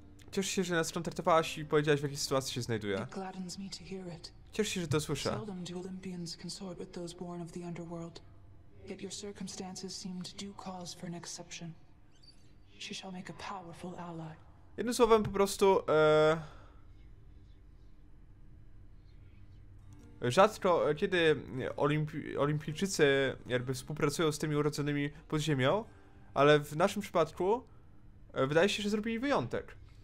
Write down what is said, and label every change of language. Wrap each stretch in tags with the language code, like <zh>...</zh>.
<pl>Cieszę się, że nas kontaktowałaś i powiedziałaś, w jakiej sytuacji się znajduje. Cieszę się, że to słyszę.</pl> <en>Seldom do Olympians consort with those born of the underworld. Yet your circumstances seem to do cause for an exception. She shall make a powerful ally.</en> <pl>Jednym słowem po prostu... rzadko, kiedy olimpijczycy jakby współpracują z tymi urodzonymi pod ziemią, ale w naszym przypadku wydaje się, że zrobili wyjątek.</pl>